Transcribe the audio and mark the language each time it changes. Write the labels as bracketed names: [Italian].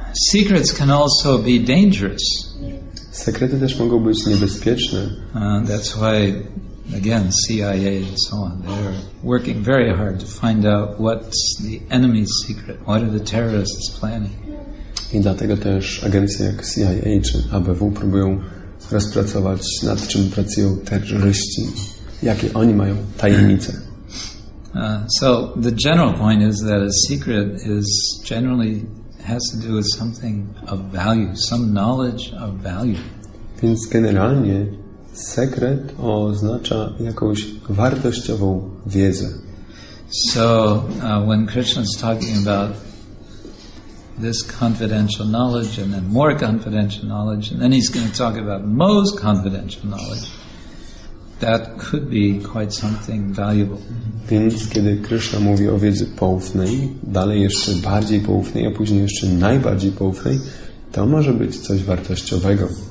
[English] Secrets can also be dangerous. [Polish] Sekrety też mogą być niebezpieczne. [English] That's why, again, CIA and so on, they're working very hard to find out what's the enemy's secret, what are the terrorists planning. [Polish] I dlatego też agencje jak CIA czy ABW próbują rozpracować, nad czym pracują terroryści, jakie oni mają tajemnice. [English] So the general point is that a secret is generally has to do with something of value, some knowledge of value. [Polish] Więc generalnie sekret oznacza jakąś wartościową wiedzę. [English] So when Krishna is talking about this confidential knowledge and then more confidential knowledge and then he's going to talk about most confidential knowledge, that could be quite something valuable. [Polish] Więc kiedy Krishna mówi o wiedzy poufnej, dalej jeszcze bardziej poufnej, a później jeszcze najbardziej poufnej, to może być coś wartościowego.